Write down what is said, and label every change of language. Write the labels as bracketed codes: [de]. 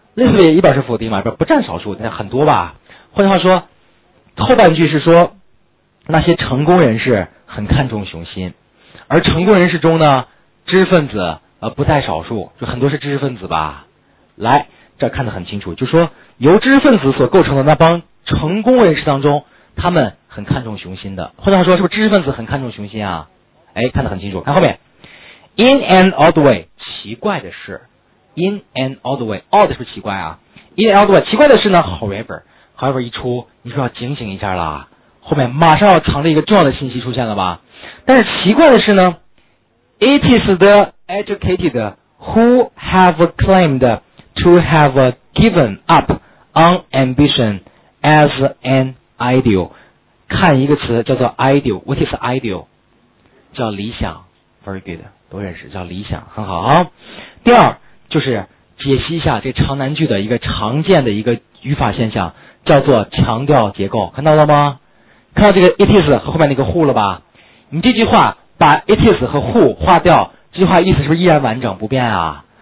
[zh] list 也表示否定嘛，不占少数，那很多吧。换句话说后半句是说那些成功人士很看重雄心，而成功人士中呢知识分子不在少数，就很多是知识分子吧。来这看得很清楚，就说由知识分子所构成的那帮成功人士当中，他们很看重雄心的。换句话说是不是知识分子很看重雄心啊？哎，看得很清楚。 [en] 看后面 In an odd way，奇怪的是 In an odd way， odd 是不是奇怪啊？ [zh] In an odd way，奇怪的是呢 However， however 一出你说要警醒一下了，后面马上要藏着一个重要的信息出现了吧。 [en] 但是奇怪的是呢， It is the educated who have claimed to have given up on ambition as an ideal。 [zh] 看一个词叫做 ideal， What is ideal？叫理想， very good，都认识，叫理想，很好啊。第二就是解析一下这长难句的一个常见的一个语法现象，叫做强调结构，看到了吗？看到这个 it is 和后面那个 who 了吧？你这句话把 it is 和 who 划掉，这句话意思是不是依然完整不变啊？